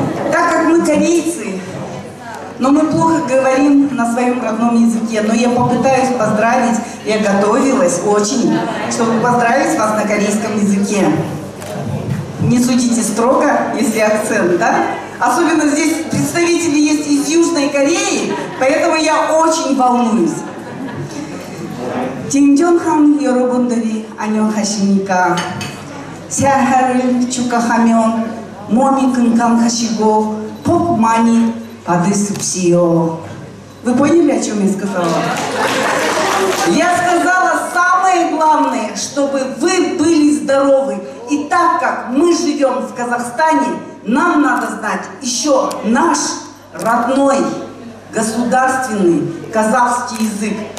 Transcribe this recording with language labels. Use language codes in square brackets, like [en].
[ru] Так как мы корейцы, но мы плохо говорим на своем родном языке, но я попытаюсь поздравить, я готовилась очень, чтобы поздравить вас на корейском языке. Не судите строго, если акцент, да? Особенно здесь представители есть из Южной Кореи, поэтому я очень волнуюсь. [ko] 진정한 여러분들이 안녕하십니까? 새해를 축하하며 몸이 건강하시고 복 많이 받으십시오. [ru] Вы поняли, о чем я сказала? Я сказала самое главное, чтобы вы были здоровы. И так как мы живем в Казахстане, нам надо знать еще наш родной государственный казахский язык.